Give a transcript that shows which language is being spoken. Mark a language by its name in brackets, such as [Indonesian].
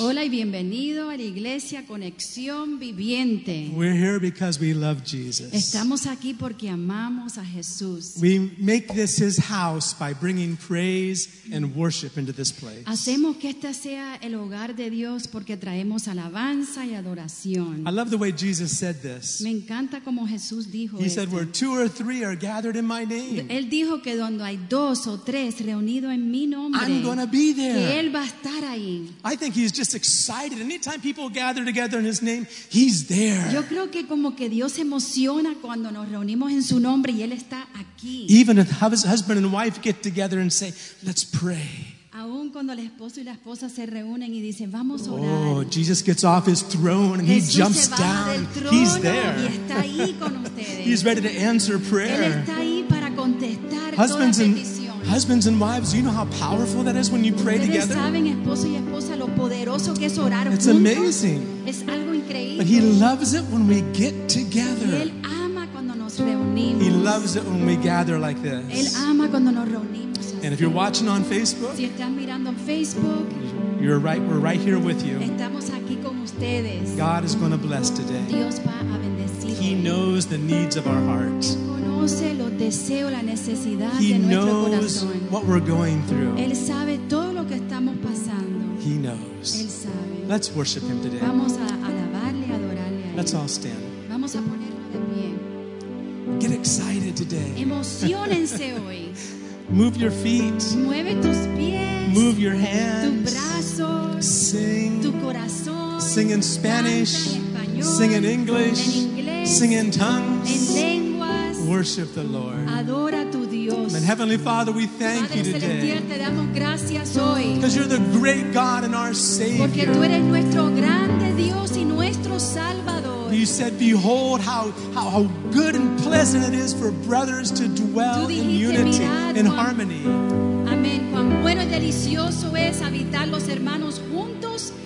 [Spanish] Hola y bienvenido a la iglesia Conexión Viviente. [English] We're here because we love Jesus. [Spanish] Estamos aquí porque amamos a Jesús. [English] We make this his house by bringing praise and worship into this place. [Spanish] Hacemos que esta sea el hogar de Dios porque traemos alabanza y adoración. [English] I love the way Jesus said this. [Spanish] Me encanta como Jesús dijo esto. [English] He said, "Where two or three are gathered in my name." [Spanish] Él dijo que donde hay dos o tres reunidos en mi [English] I'm going to be there. [Spanish] Que él va a estar ahí. [English] I think he's just excited. Anytime people gather together in his name, he's there. [Spanish] Yo creo que como que Dios emociona cuando nos reunimos en su nombre y él está aquí. [English] Even if husband and wife get together and say, "Let's pray." [Spanish] Aún cuando el esposo y la esposa se reúnen y dicen, "Vamos a orar." [English] Oh, Jesus gets off his throne and [Spanish] Jesús [English] he jumps down. [Spanish] Del trono [English] he's there. [Spanish] Y está ahí con ustedes. [English] He's ready to answer prayer. [Spanish] Él está ahí para contestar [English] Husbands [Spanish] toda [English] and [Spanish] petición. [English] Husbands and wives, you know how powerful that is when you pray together? [Spanish] ¿Saben, esposo y esposa, lo poderoso que es orar [English] It's [Spanish] juntos? [English] Amazing. [Spanish] Es algo increíble. [English] But he loves it when we get together. [Spanish] Y él ama cuando nos reunimos. [English] He loves it when we gather like this. [Spanish] Él ama cuando nos reunimos así. [English] And if you're watching on Facebook, [Spanish] si están mirando Facebook, [English] you're right, we're right here with you. [Spanish] Estamos aquí con ustedes. [English] God is going to bless today. [Spanish] Dios va a bendecir. [English] He knows the needs of our hearts. He knows what we're going through. [Spanish] Él sabe todo lo que estamos pasando. [English] He knows. [Spanish] Él sabe. [English] Let's worship him today. [Spanish] Vamos a alabarle, adorarle a él. [English] Let's all stand. [Spanish] Vamos a ponerlo de pie. [English] Get excited today. [Spanish] Emocionense hoy. [English] Move your feet. [Spanish] Mueve tus pies. [English] Move your hands. [Spanish] Tus brazos. [English] Sing. [Spanish] Tu corazón. [English] Sing in Spanish. [Spanish] Canta en español. [English] Sing in English. [Spanish] En inglés. [English] Sing in tongues. [Spanish] En lengua. [English] Worship the Lord. [Spanish] Adora tu Dios. [English] And Heavenly Father, we thank [Spanish] Padre [English] you today. [Spanish] Te damos gracias hoy. [English] Because you're the great God and our Savior. [Spanish] Porque tú eres nuestro grande Dios y nuestro Salvador. [English] You said, "Behold how good and pleasant it is for brothers to dwell [Spanish] dijiste, [English] in unity and harmony." [Spanish] Amén. Cuán bueno y delicioso es habitar los hermanos juntos.